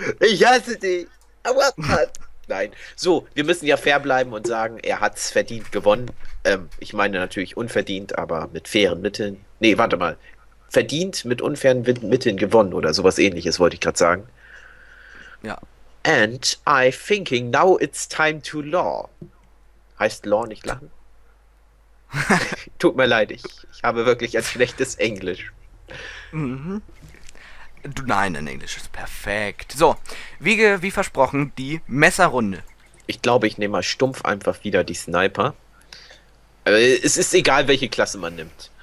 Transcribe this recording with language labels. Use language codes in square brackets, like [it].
[de] Ich hasse dich. Aber nein. So, wir müssen ja fair bleiben und sagen, er hat es verdient gewonnen. Ich meine natürlich unverdient, aber mit fairen Mitteln. Nee, warte mal. Verdient mit unfairen Mitteln gewonnen oder sowas ähnliches, wollte ich gerade sagen. Ja. [en] And I thinking now it's time to law. [de] Heißt law nicht lachen? Tut mir leid, ich habe wirklich ein schlechtes Englisch. Du, nein, in Englisch ist perfekt. So, wie versprochen, die Messerrunde. Ich glaube, ich nehme mal stumpf einfach wieder die Sniper. Es ist egal, welche Klasse man nimmt.